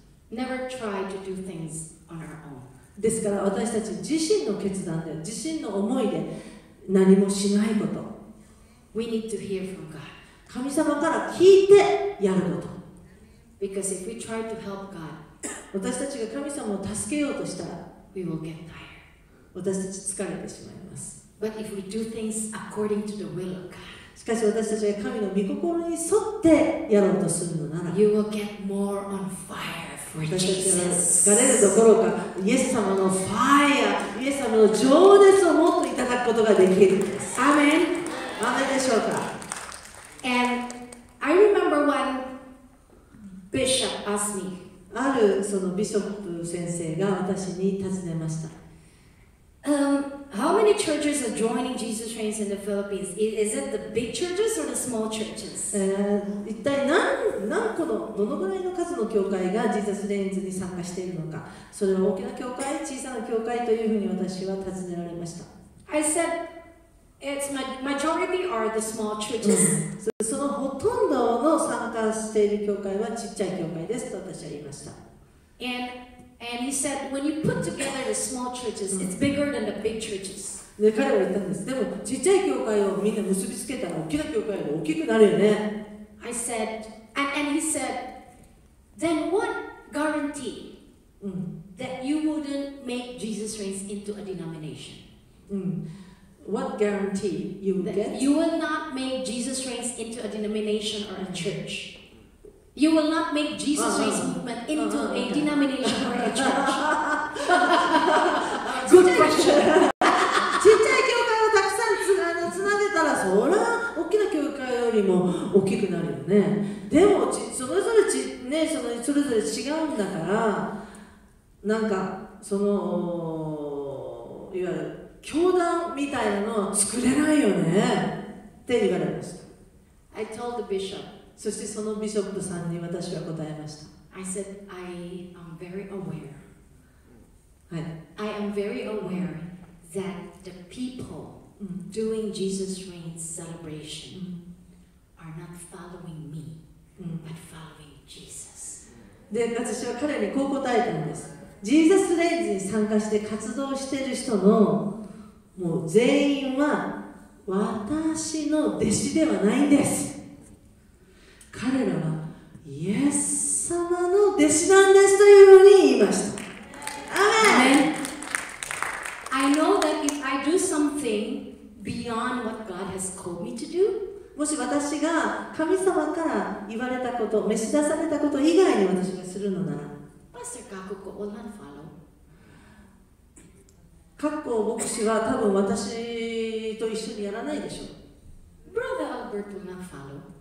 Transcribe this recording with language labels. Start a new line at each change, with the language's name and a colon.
English: Never tried to do things on our own.
Japanese: ですから私たち自身の決断で、自身の思いで何もしないこと。
English: We need to hear from God.
Japanese: 神様から聞いてやること。
English: Because if we try to help God,
Japanese: 私たちが神様を助けようとしたら、
English: we will get tired.
Japanese: 私たち疲れてしまいます。
English: But if we do things according to the will of God,
Japanese: しかし私たちが神の御心に沿ってやろうとするのなら、
English: you will get more on fire for Jesus.
Japanese: 私たちは疲れるどころか、イエス様のファイア、イエス様の情熱をもっといただくことができるんです。アーメン。アーメンでしょうか。
English: And I remember one bishop asked me.
Japanese: あるそのビショップ先生が私に尋ねました。
English: How many churches are joining Jesus Reigns in the Philippines? Is it the big churches or the small churches?
Japanese: 一体何個のどのぐらいの数の教会がジーザスレインズに参加しているのか、それは大きな教会、小さな教会というふうに私は尋ねられました。
English: I said,It's majority are the small churches.
Japanese: そのほとんどの参加している教会はちっちゃい教会ですと私は言いました。
English: And he said, when you put together the small churches, it's bigger than the big churches.
Japanese: で彼は言ったんです。でもちっちゃい教会をみんな結びつけたら大きな教会が大きくなるよね。
English: I said, and he said, then what guarantee that you wouldn't make Jesus Reigns into a denomination? What guarantee you will get? You will not make Jesus Reigns into a denomination or a church. You will not make Jesus Reigns movement into a denomination or a church. Good question.
Japanese: ちっちゃい教会をたくさんつなげたら、そりゃ大きな教会よりも大きくなるよね。でもそれぞれね、それぞれ違うんだから、なんかそのいわゆる教団みたいなのは作れないよねって言われました。
English: I told the bishop.
Japanese: そしてそのビショップさんに私は答えました。
English: I said, I am very aware.
Japanese: はい。
English: I am very aware that the people doing Jesus Reigns celebration are not following me, but following Jesus.
Japanese: で、私は彼にこう答えたんです。Jesus Reigns に参加して活動している人のもう全員は私の弟子ではないんです。彼らはイエス様の弟子なんですというふうに言いました。アメン。
English: I know that if I do something beyond what God has called me to do、
Japanese: もし私が神様から言われたこと、召し出されたこと以外に私がするのなら、
English: Pastor Kakuko will not follow。
Japanese: カッコ牧師は多分私と一緒にやらないでしょう。
English: Brother Albert will not follow。